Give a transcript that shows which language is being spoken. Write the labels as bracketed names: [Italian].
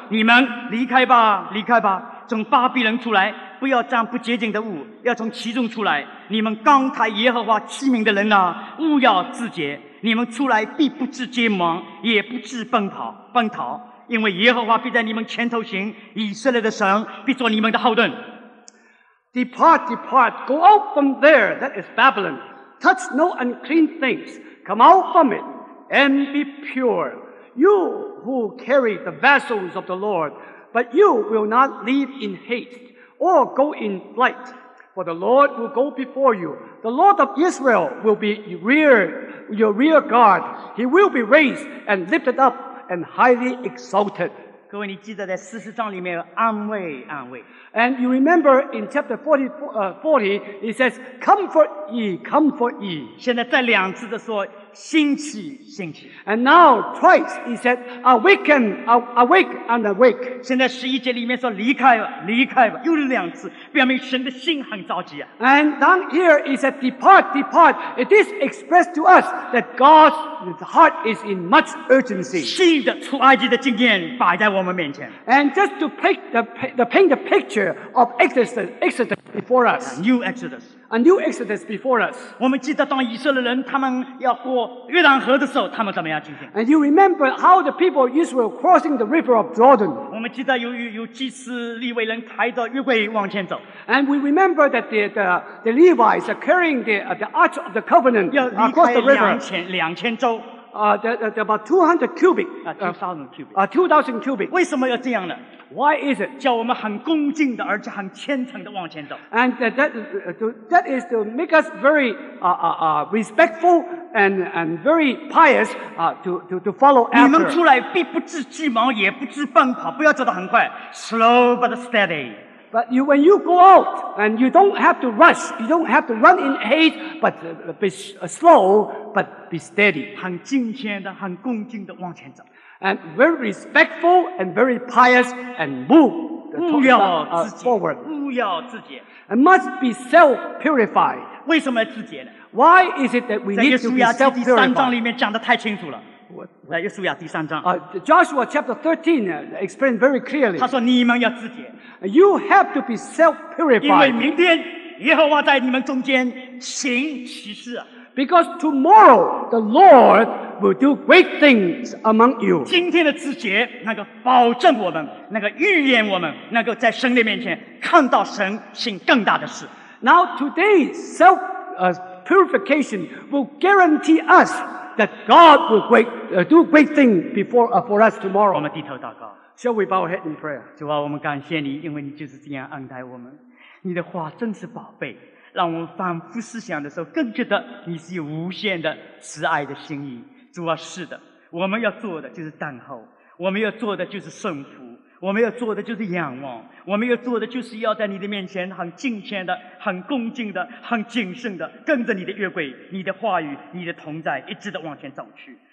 [Chinese] 你们离开吧，离开吧，从巴比伦出来，不要沾不洁净的物，要从其中出来。你们刚抬耶和华器皿的人啊，勿要自洁。你们出来必不致结盟，也不致奔逃，因为耶和华必在你们前头行，以色列的神必做你们的后盾。 [English] Depart, depart, go out from there, that is Babylon. Touch no unclean things, come out from it, and be pure. You who carry the vessels of the Lord, but you will not leave in haste or go in flight. For the Lord will go before you. The Lord of Israel will be your rear guard. He will be raised and lifted up and highly exalted. [Chinese] 各位，你记得在40章里面有安慰，安慰。 [English] And you remember in chapter 40, it says, comfort ye, comfort ye. [Chinese] 现在再两次的说兴起，兴起。 [English] And now twice he said, awaken, awake and awake. [Chinese] 现在十一节里面说离开吧，离开吧，又是两次，表明神的心很着急啊。 [English] And down here he said, depart, depart. It is expressed to us that God's heart is in much urgency. [Chinese] 新的出埃及的经验摆在我们面前。 [English] And just to paint the picture of Exodus before us. A new Exodus. A new Exodus before us. [Chinese] 我们记得当以色列人他们要过约旦河的时候，他们怎么样进行 [English] ？And you remember how the people of Israel crossing the river of Jordan. [Chinese] 我们记得有祭司利未人抬着约柜往前走。 [English] And we remember that the Levites are carrying the Ark of the Covenant across the river. [Chinese] 要离开2000周。 [English] About 200 cubic. 2000 cubic. 2000 cubic. [Chinese] 为什么要这样呢？ [English] Why is it? [Chinese] 叫我们很恭敬的，而且很虔诚的往前走。 [English] And that is to make us very respectful and very pious to follow after. [Chinese] 你们出来必不致急忙，也不致奔跑，不要走得很快 ， [English] slow but steady. But you when you go out and you don't have to rush, you don't have to run in haste, but be slow but be steady. [Chinese] 很敬虔的，很恭敬的往前走。 [English] And very respectful and very pious and move forward. [Chinese] 勿要自洁。 [English] And must be self-purified. [Chinese] 为什么要自洁呢？ [English] Why is it that we need to be self-purified? [Chinese] 在约书亚记第三章里面讲得太清楚了。在约书亚第三章。 [English] Joshua chapter 13 explained very clearly. [Chinese] 他说你们要自洁。 [English] You have to be self-purified. [Chinese] 因为明天耶和华在你们中间行奇事。 [English] Because tomorrow the Lord will do great things among you. [Chinese] 今天的自洁能够保证我们，能够预言我们，能够在神的面前看到神行更大的事。 [English] Now today's self purification will guarantee us that God will do great things for us tomorrow. [Chinese] 我们低头祷告。 [English] Shall we bow our head in prayer? [Chinese] 主啊，我们感谢你，因为你就是这样恩待我们。你的话真是宝贝。让我们反复思想的时候，更觉得你是有无限的慈爱的心意。主啊，是的，我们要做的就是等候，我们要做的就是顺服，我们要做的就是仰望，我们要做的就是要在你的面前很敬虔的、很恭敬的、很谨慎的跟着你的约柜、你的话语、你的同在一直的往前走去。